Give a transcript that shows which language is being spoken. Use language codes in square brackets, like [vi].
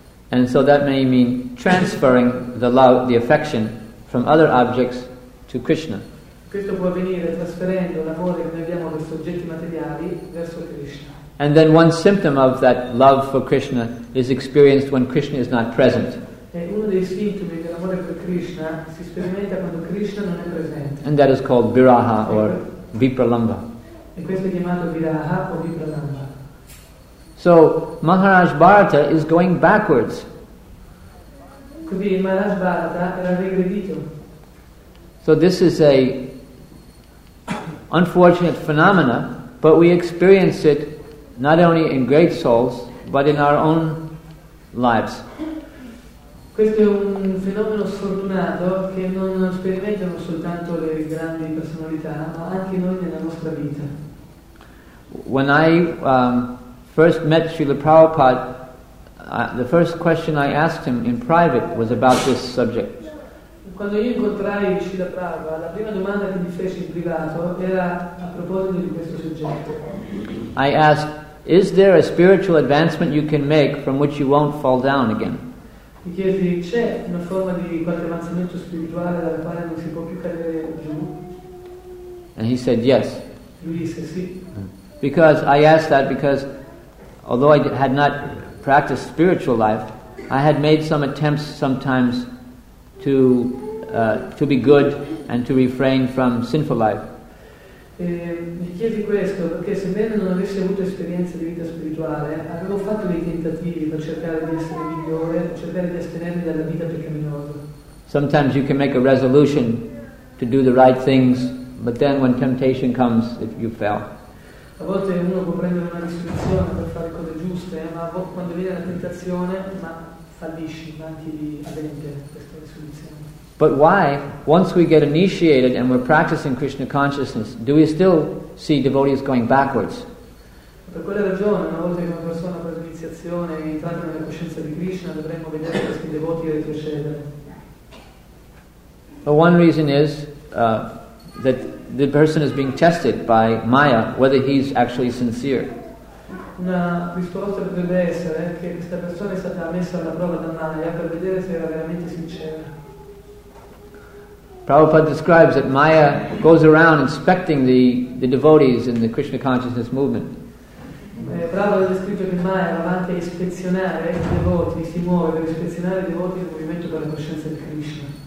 [en] And so that may mean transferring the love, the affection, from other objects to Krishna. [it] Questo può avvenire trasferendo l'amore che abbiamo dai soggetti materiali verso Krishna. [en] And then one symptom of that love for Krishna is experienced when Krishna is not present. [it] E uno dei sintomi dell'amore per Krishna si sperimenta quando Krishna non è presente. [en] And that is called viraha or vipralamba. [it] E questo è chiamato viraha o vipralamba. [en] So Maharaj Bharata is going backwards. [it] Quindi Maharaj Bharata era regredito. [en] So this is a unfortunate phenomena, but we experience it not only in great souls, but in our own lives. [it] Questo è un fenomeno sfortunato che non sperimentano soltanto le grandi personalità, ma anche noi nella nostra vita. [en] When I first met Srila Prabhupada, the first question I asked him in private was about this subject. [it] Quando io incontrai Srila Prabhupada, la prima domanda che mi fece in privato era a proposito di questo soggetto. [en] I asked, is there a spiritual advancement you can make from which you won't fall down again? [it] Mi chiesi, c'è una forma di qualche avanzamento spirituale dalla quale non si può più cadere giù? [en] And he said, yes. [it] Lui disse, sì. [en] Because I asked that because although I had not practiced spiritual life, I had made some attempts sometimes to be good and to refrain from sinful life. [it] Mi chiedi questo perché sebbene non avessi avuto esperienza di vita spirituale, avevo fatto dei tentativi per cercare di essere migliore, cercare di astenermi dalla vita peccaminosa. [en] Sometimes you can make a resolution to do the right things, but then when temptation comes, you fail. [it] A volte uno può prendere una risoluzione per fare cose giuste, ma quando viene la tentazione, ma fallisci, manchi di avere questa risoluzione. [en] But why, once we get initiated and we're practicing Krishna consciousness, do we still see devotees going backwards? [it] Per quella ragione, una volta che una persona fa l'iniziazione e entra nella coscienza di Krishna, dovremmo vedere questi devoti retrocedere. [en] But one reason is that the person is being tested by Maya whether he's actually sincere. [it] Una risposta potrebbe essere che questa persona è stata messa alla prova da Maya per vedere se era veramente sincera. [en] Prabhupada describes that Maya goes around inspecting the devotees in the Krishna consciousness movement. [it] Prabhupada descrive che Maya va avanti a ispezionare i devoti, si muove per ispezionare i devoti del movimento della coscienza di Krishna.